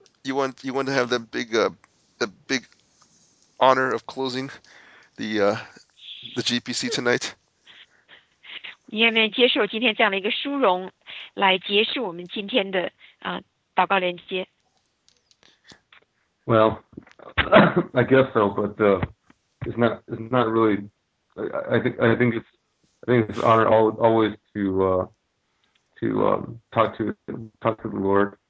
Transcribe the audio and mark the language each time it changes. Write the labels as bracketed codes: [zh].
[en] You want to have that big, the big honor of closing the GPC tonight. [zh] 你愿不愿意接受今天这样的一个殊荣，来结束我们今天的祷告连接 [en] ？Well, I guess so, but it's not really. I think it's an honor always to talk to the Lord.